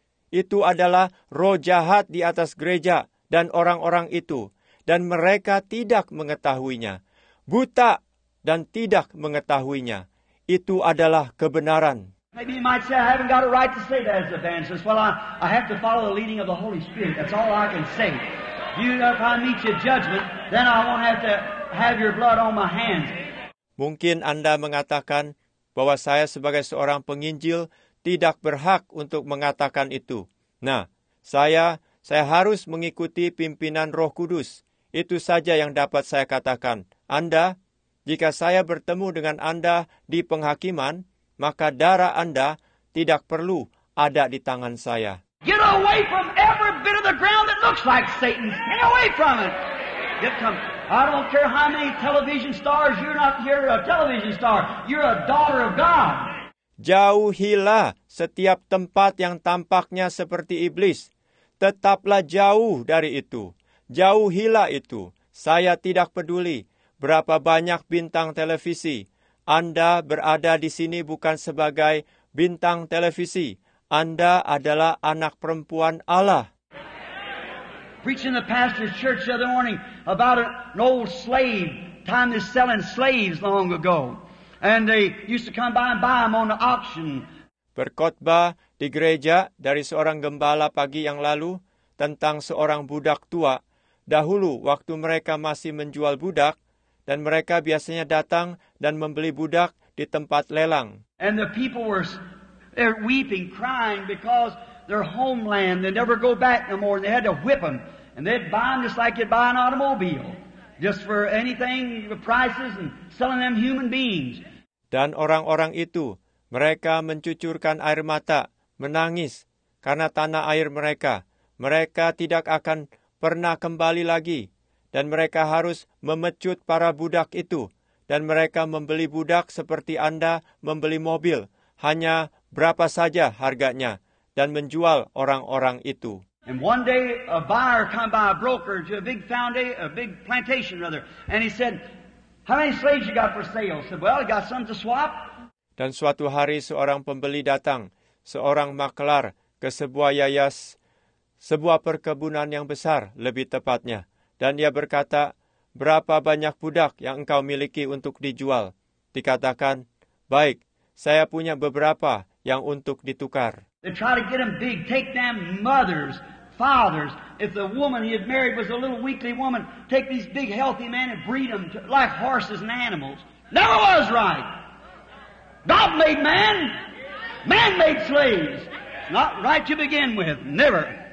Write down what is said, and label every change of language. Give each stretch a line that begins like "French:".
Indonesian: Itu adalah roh jahat di atas gereja dan orang-orang itu, dan mereka tidak mengetahuinya. Buta dan tidak mengetahuinya. Itu adalah kebenaran.
English: Maybe you might say, I haven't got a right to say that as an evangelist. Well, I have to follow the leading of the Holy Spirit. That's all I can say. You know, if I meet your judgment, then I won't have to have your blood on my hands.
Indonesian: Mungkin Anda mengatakan bahwa saya sebagai seorang penginjil tidak berhak untuk mengatakan itu. Nah, saya harus mengikuti pimpinan Roh Kudus. Itu saja yang dapat saya katakan. Anda, jika saya bertemu dengan Anda di penghakiman, maka darah Anda tidak perlu ada di tangan saya.
English: Get away from every bit of the ground that looks like Satan. Get away from it. Get come. I don't care how many television stars, you're not here a television star. You're a daughter of God.
Indonesian: Jauhilah setiap tempat yang tampaknya seperti iblis. Tetaplah jauh dari itu. Jauhilah itu. Saya tidak peduli berapa banyak bintang televisi. Anda berada di sini bukan sebagai bintang televisi. Anda adalah anak perempuan Allah.
English: Preaching the pastor's church the other morning about an old slave. Time is selling slaves long ago. And they used to come by and buy them on the auction.
Indonesian: Berkhotbah di gereja dari seorang gembala pagi yang lalu tentang seorang budak tua. Dahulu waktu mereka masih menjual budak, dan mereka biasanya datang dan membeli budak di tempat lelang.
English: And the people were weeping, crying because their homeland, they never go back no more. They had to whip them. And they'd buy them just like you'd buy an automobile. Just for anything, the prices, and selling them human beings.
Indonesian: Dan orang-orang itu, mereka mencucurkan air mata, menangis karena tanah air mereka. Mereka tidak akan pernah kembali lagi. Dan mereka harus memecut para budak itu. Dan mereka membeli budak seperti Anda membeli mobil. Hanya berapa saja harganya. Dan menjual orang-orang itu.
English: And one day a buyer come by a broker to a big foundation, a big plantation rather. And he said, how many slaves you got for sale? I said, well, I got some to swap.
Indonesian: Dan suatu hari seorang pembeli datang, seorang maklar ke sebuah yayasan, sebuah perkebunan yang besar lebih tepatnya. Dan ia berkata, berapa banyak budak yang engkau miliki untuk dijual? Dikatakan, baik, saya punya beberapa yang untuk ditukar.
English: They try to get them big, take them mothers, fathers. If the woman he had married was a little weakly woman, take these big healthy men and breed them like horses and animals. Never was right. God made man. Man made slaves. Not right to begin with. Never.